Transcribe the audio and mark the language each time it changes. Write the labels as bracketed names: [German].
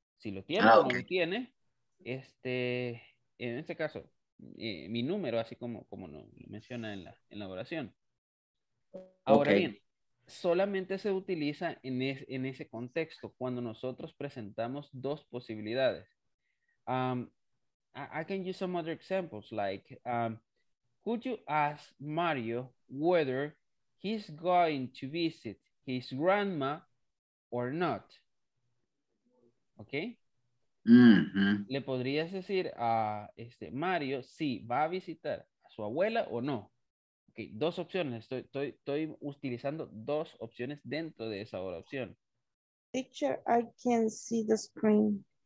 [Spanish] Si lo tiene o no tiene, en este caso, mi número, así como lo menciona en la oración. Ahora bien, solamente se utiliza en ese contexto cuando nosotros presentamos dos posibilidades. [English] I can use some other examples, like, could you ask Mario whether he's going to visit his grandma or not? Okay. Mm-hmm. [Spanish] Le podrías decir a Mario si va a visitar a su abuela o no. Okay, dos opciones. Estoy utilizando dos opciones dentro de esa oración. [English] Teacher, I can see the screen.